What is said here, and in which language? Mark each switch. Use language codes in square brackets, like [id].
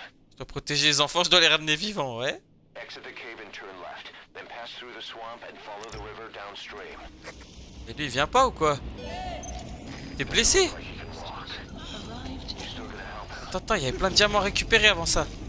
[fr] Je dois protéger les enfants, je dois les ramener vivants, ouais. [en] Exit the cave and turn left, then pass through the swamp and follow the river downstream. [fr] Et lui, il vient pas ou quoi? T'es blessé? Attends, attends, il y avait plein de diamants à récupérer avant ça.